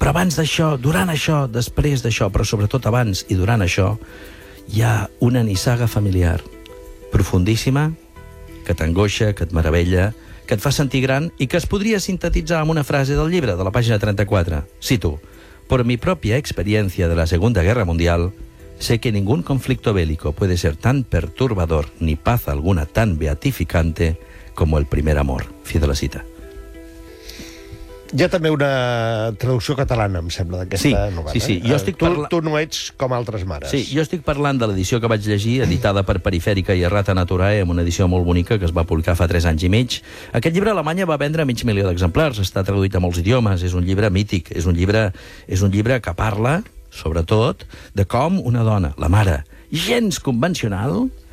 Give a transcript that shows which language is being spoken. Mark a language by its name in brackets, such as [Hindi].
[Catalan] Però abans d'això, durant això, després d'això, però sobretot abans i durant això, hi ha una nissaga familiar profundíssima, que t'angoixa, que et meravella, que et fa sentir gran i que es podria sintetitzar amb una frase del llibre, de la pàgina 34. Cito. [Spanish] Por mi propia experiencia de la Segunda Guerra Mundial, sé que ningún conflicto bélico puede ser tan perturbador ni paz alguna tan beatificante como el primer amor. [Catalan] Fi de la cita. Hi ha també una traducció catalana, em sembla, d'aquesta novel·la. Sí, sí, sí. Jo estic tu no ets com altres mares. Sí, jo estic parlant de l'edició que vaig llegir, editada per Perifèrica i Errata Naturae, amb una edició molt bonica que es va publicar fa 3 anys i mig. Aquest llibre a Alemanya va vendre 500.000 d'exemplars, està traduït a molts idiomes, és un llibre mític, és un llibre que parla, sobretot, de com una dona, la mare, gens convencional,